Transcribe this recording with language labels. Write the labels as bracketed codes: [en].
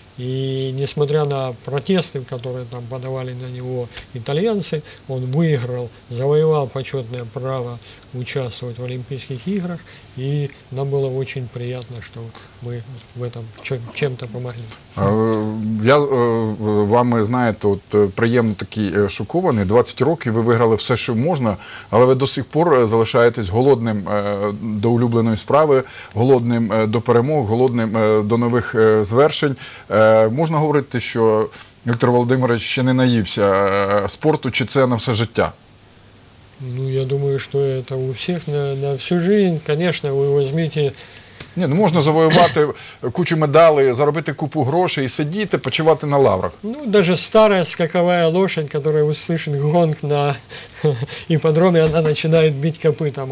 [ru] И, несмотря на протесты, которые там подавали на него итальянцы, он выиграл, завоевал почетное право участвовать в Олимпийских играх. И нам было очень приятно, что мы в этом чем-то помогли. [uk] Я вам, знаете, от, приємно такий шокований. 20 років ви виграли все, що можна, але ви до сих пор залишаєтесь голодним до улюбленої справи, голодним до перемог, голодним до нових звершень. Можна говорити, що Віктор Володимирович ще не наївся спорту, чи це на все життя? [ru] Ну, я думаю, что это у всех на всю жизнь, конечно, вы возьмите. Не, ну можно завоевать кучу медалей, заработать [uk] купу грошей [ru] и сидеть, почивать на лаврах. Ну, даже старая скаковая лошадь, которая услышит гонг на ипподроме, она начинает бить копытом.